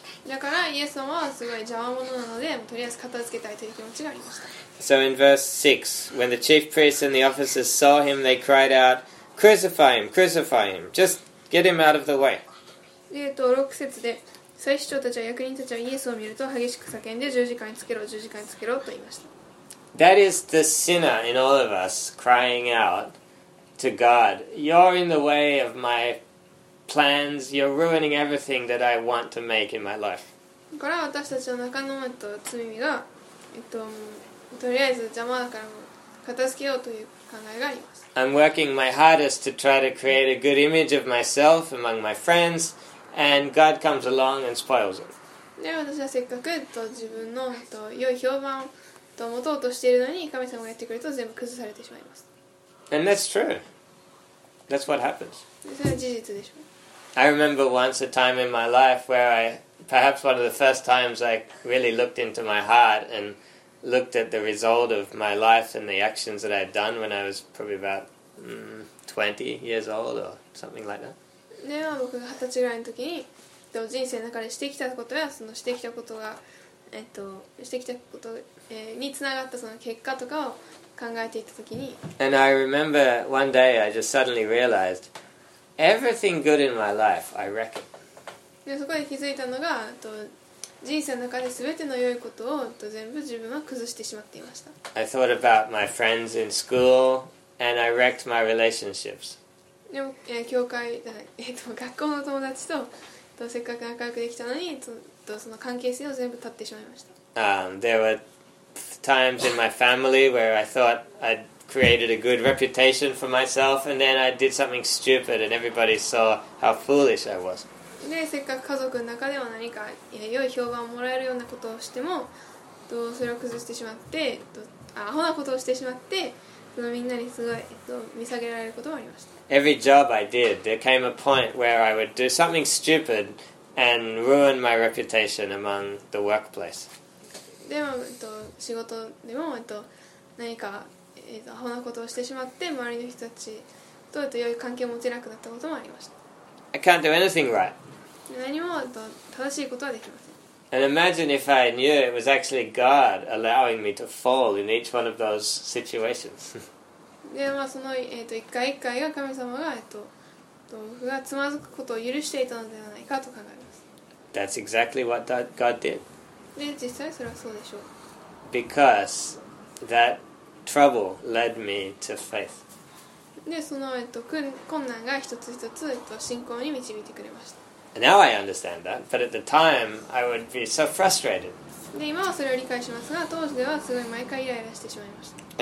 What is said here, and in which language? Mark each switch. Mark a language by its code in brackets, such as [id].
[ja] だからイエス様はすごい邪魔者なので、とりあえず片付けたいという気持ちがありました。 [en] So in verse 6, when the chief priests and the officers saw him, they cried out, Crucify him, crucify him, just get him out of the way. [ja] 6節で、祭司長たちは役人たちはイエスを見ると激しく叫んで、十字架につけろ、十字架につけろと言いました。 [en] That is the sinner in all of us crying out to God, You're in the way of my plans, you're ruining everything that I want to make in my life. [ja] だから私たちの中の人と罪が、とりあえず邪魔だから片付けようという考えがあります。 [en] I'm working my hardest to try to create a good image of myself among my friends, and God comes along and spoils it. [ja] で、私はせっかく自分の良い評判を持とうとしているのに、神様がやってくれると全部崩されてしまいます。 [en] And that's true. That's what happens. [ja] それは事実でしょう。 [en] I remember once a time in my life where I, perhaps one of the first times I really looked into my heart and looked at the result of my life and the actions that I had done when I was probably about 20 years old or something like that. [ja] で、僕が20歳ぐらいの時に、人生の中でしてきたことや、そのしてきたことが、してきたこと、につながったその結果とかを考えていた時に。 [en] And I remember one day I just suddenly realized everything good in my life, I reckon. [ja] で、そこで気づいたのが、人生の中で全ての良いことを全部自分は崩してしまっていました。 [en] I thought about my friends in school and I wrecked my relationships. [ja] でも、教会、学校の友達と、せっかく仲良くできたのに、その関係性を全部断ってしまいました。 [en] There were times in my family where I thought I'd created a good reputation for myself and then I did something stupid and everybody saw how foolish I was. [ja] で、せっかく家族の中でも何か良い評判をもらえるようなことをしても、それを崩してしまって、アホなことをしてしまって、みんなにすごい、見下げられることもありました。 [en] Every job I did, there came a point where I would do something stupid and ruin my reputation among the workplace. [ja] でも、仕事でも、何か、アホなことをしてしまって、周りの人たちと、良い関係を持てなくなったこともありました。 [en] I can't do anything right. [ja] 何も正しいことはできません。 [en] And imagine if I knew it was actually God allowing me to fall in each one of those situations. [ja] で、その、一回一回が神様が、僕がつまずくことを許していたのではないかと考えます。 [en] That's exactly what that God did. [ja] で、実際それはそうでしょう。 [en] Because that trouble led me to faith. [ja] で、その、困難が一つ一つ、信仰に導いてくれました。 [en] Now I understand that, but at the time, I would be so frustrated. [ja] で、今はそれを理解しますが、当時ではすごい毎回イライラしてしまいました。